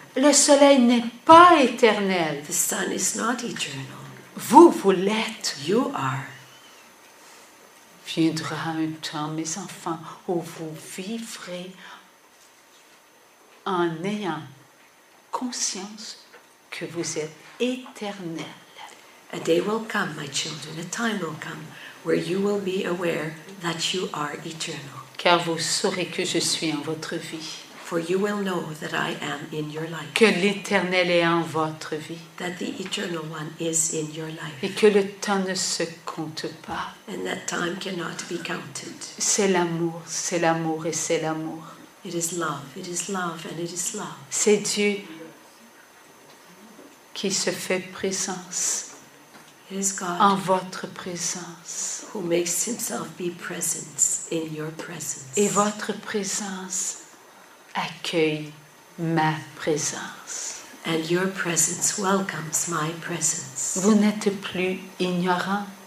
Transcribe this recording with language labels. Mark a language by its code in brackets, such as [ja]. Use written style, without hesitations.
[fr] Le soleil n'est pas éternel. [en] The sun is not eternal. [fr] Vous l'êtes. [en] You are. [fr] Viendra un temps, mes enfants, où vous vivrez en ayant conscience que vous êtes éternel. [en] A day will come, my children, a time will come, where you will be aware that you are eternal. [fr] Car vous saurez que je suis en votre vie. [en] For you will know that I am in your life. [fr] Que l'éternel est en votre vie. [en] That the eternal one is in your life. [fr] Et que le temps ne se compte pas. [en] And that time cannot be counted. [fr] C'est l'amour et c'est l'amour. [en] It is love and it is love. [fr] C'est Dieu qui se fait présence. [en] It is God [fr] en votre présence. [en] Who makes himself be present in your presence. [fr] Et votre présence accueille ma présence. [en] And your presence welcomes my presence. [fr] Vous n'êtes plus ignorant.